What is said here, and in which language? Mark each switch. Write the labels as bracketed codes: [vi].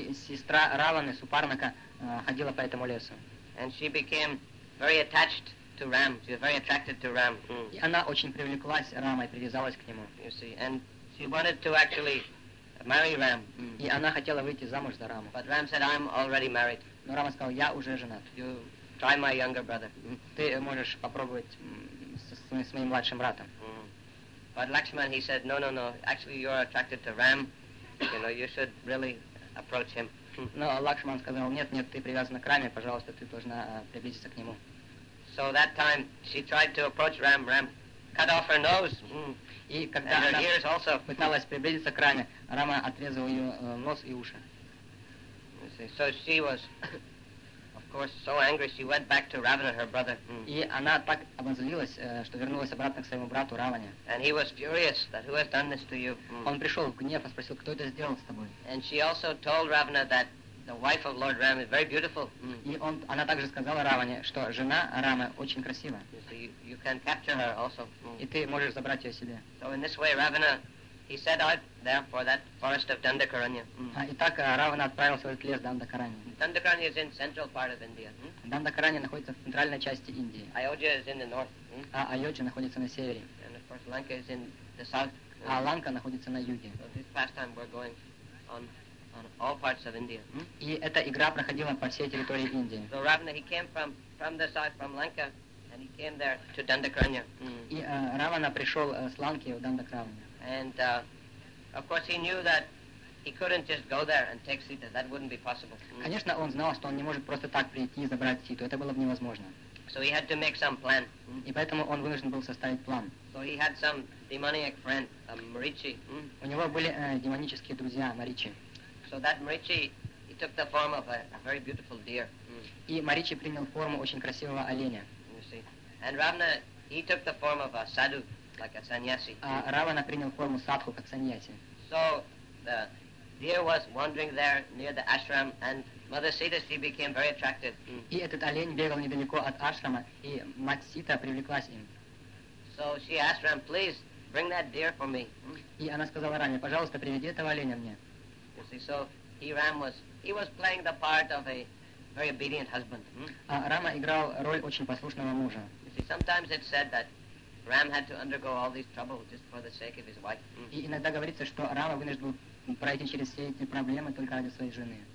[ru] Сестра Раваны, Супарнака, ходила по этому лесу. [en] And she became very attached to Ram. She was very attracted to Ram. [ru] И она очень привлеклась Рамой, привязалась к нему. [en] You see, and she wanted to actually marry Ram. [ru] И она хотела выйти замуж за Раму. [en] But Ram said, I'm already married. [ru] Но Рама сказал, я уже женат. [en] You try my younger brother. [ru] Ты можешь попробовать с моим младшим братом. [en] But Lakshman, he said, no, no, no. Actually, you're attracted to Ram. You know, you should really approach him. [ru] No, Lakshman сказал, нет, нет, ты привязана к Раме, пожалуйста, ты должна приблизиться к нему. [en] So that time, she tried to approach Ram. Ram cut off her nose. [ru] И когда [en] and her ears also. [ru] Пыталась приблизиться к Раме, Рама отрезал ее нос и уши. [en] So she was, of course, so angry. She went back to Ravana, her brother. [ru] И она так обозлилась, что вернулась обратно к своему брату Раване. [en] And he was furious that who has done this to you. [ru] Он пришел в гнев и спросил, кто это сделал с тобой. [en] And she also told Ravana that the wife of Lord Ram is very beautiful. [ru] И он, она также сказала Раване, что жена Рамы очень красива. [en] You can capture her also. [ru] И ты можешь забрать ее себе. [en] So in this way, Ravana. He set out there for that forest of Dandakaranya. [ru] Итак, Равана отправился в этот лес Дандакаранья. [en] Dandakaranya is in central part of India. [ru] Дандакаранья находится в центральной части Индии. [en] Айодхи is in the north. [ru] А Айодхи находится на севере. [en] And of course, Lanka is in the south. [ru] А Ланка находится на юге. [en] So this pastime we're going on all parts of India. [ru] И эта игра проходила по всей территории Индии. [en] So Ravana, he came from the south, from Lanka, and he came there to Dandakaranya. [ru] И Равана пришел с Ланки в Дандакаранья. [en] And of course he knew that he couldn't just go there and take Sita. That wouldn't be possible. [ru] Конечно, он знал, что он не может просто так прийти и забрать Ситу. Это было бы невозможно. [en] So he had to make some plan. [ru] И поэтому он вынужден был составить план. [en] So he had some demoniac friend, Marichi. [ru] У него были демонические друзья, Маричи. [en] So that Marichi, he took the form of a very beautiful deer. [ru] И Маричи принял форму очень красивого оленя. [en] You see. And Ravana, he took the form of a sadhu. Like a sannyasi. [ru] Равана принял форму садху как саньяси. [en] So the deer was wandering there near the ashram, and Mother Sita she became very attracted. [ru] И этот олень бегал недалеко от ашрама, и мать Сита привлеклась им. [en] So she asked Ram, please bring that deer for me. [ru] И она сказала Раме, пожалуйста, приведи этого оленя мне. [en] You see, so Ram was playing the part of a very obedient husband. [ru] Рама играл роль очень послушного мужа. [en] You see, sometimes it's said that Ram had to undergo all these troubles just for the sake of his wife. [ru] И иногда говорится, что Рама вынужден был пройти через все эти проблемы только ради своей жены.